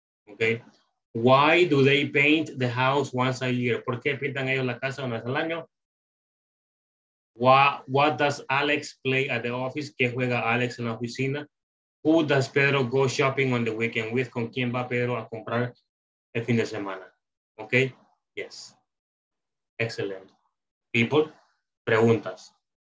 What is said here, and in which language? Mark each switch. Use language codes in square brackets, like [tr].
[en] Ok, why do they paint the house once a year? [es] ¿Por qué pintan ellos la casa una vez al año? [en] What does Alex play at the office? [es] ¿Qué juega Alex en la oficina? [en] Who does Pedro go shopping on the weekend with? [es] ¿Con quién va Pedro a comprar el fin de semana? [en] Okay, yes. Excellent. People, preguntas.